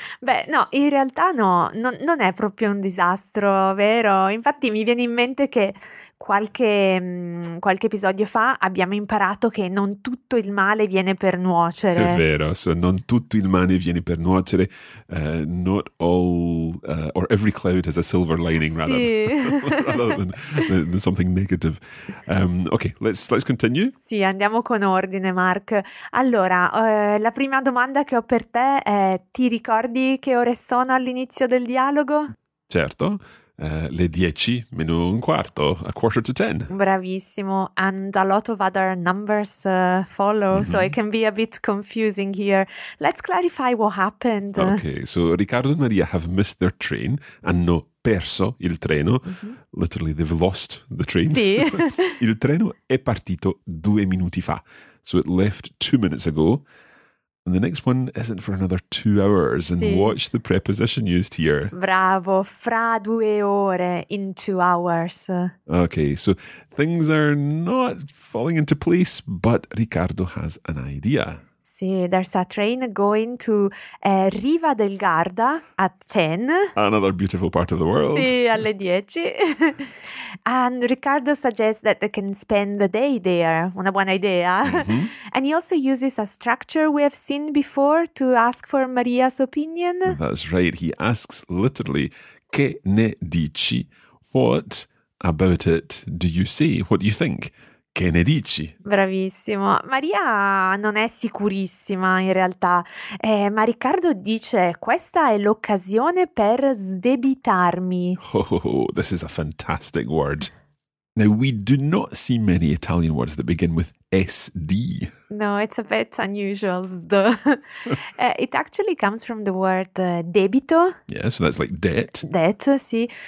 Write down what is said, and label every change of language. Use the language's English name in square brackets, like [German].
[Italian] Beh, no, in realtà no, non è proprio un disastro, vero? Infatti mi viene in mente che qualche episodio fa abbiamo imparato che non tutto il male viene per nuocere. È vero, so non tutto il male viene per nuocere. [English] Not all, or every cloud has a silver lining, rather, [Italian] sì. [English] rather than something negative. Okay, let's continue. [Italian] Sì, andiamo con ordine, Mark. Allora, la prima domanda che ho per te è, ti ricordi che ore sono all'inizio del dialogo? Certo. Le 10 meno un quarto, [English] a quarter to 10. [Italian] Bravissimo. [English] And a lot of other numbers follow, mm-hmm. So it can be a bit confusing here. Let's clarify what happened. Okay, so Riccardo and Maria have missed their train. [Italian] Hanno perso il treno. [English] Mm-hmm. Literally, they've lost the train. [Italian] Sì. Il treno è partito 2 minuti fa. [English] So it left 2 minutes ago. And the next one isn't for another 2 hours. And sì. Watch the preposition used here. [Italian] Bravo. Fra 2 ore, [English] in 2 hours. Okay, so things are not falling into place, but Riccardo has an idea. Sì, there's a train going to Riva del Garda at 10. Another beautiful part of the world. [Italian] Sì, alle 10. [English] And Riccardo suggests that they can spend the day there. [Italian] Una buona idea. [English] Mm-hmm. And he also uses a structure we have seen before to ask for Maria's opinion. That's right. He asks literally, [Italian] che ne dici? [English] What about it do you see? What do you think? [Italian] Che ne dici? Bravissimo. Maria non è sicurissima in realtà, ma Riccardo dice questa è l'occasione per sdebitarmi. [English] Oh, this is a fantastic word. Now, we do not see many Italian words that begin with SD. No, it's a bit unusual. It actually comes from the word debito. Yeah, so that's like debt. Debt, sì.